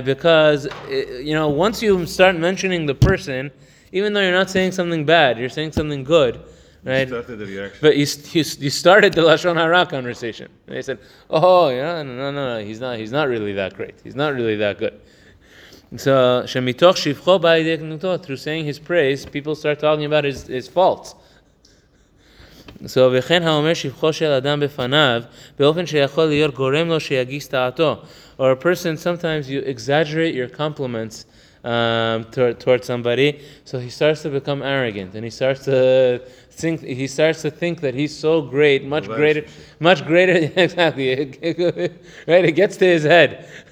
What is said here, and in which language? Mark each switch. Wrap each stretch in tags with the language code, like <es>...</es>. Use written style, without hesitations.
<en>Because, once you start mentioning the person, even though you're not saying something bad, you're saying something good, right? You started the reaction. But you started the Lashon Hara conversation. And they said, oh, no, he's not really that great. He's not really that good. So,</en> <he>shemitoch shivcho ba'idek nuto,</he> <en>through saying his praise, people start talking about his faults.</en> <he>So, וכן האומר שבחו של אדם בפניו, באופן שיכול להיות גורם לו שיגיס דעתו.</he> <en>Or a person, sometimes you exaggerate your compliments toward somebody, so he starts to become arrogant, and he starts to think that he's so great, much greater, yeah, exactly, right, it gets to his head.</en>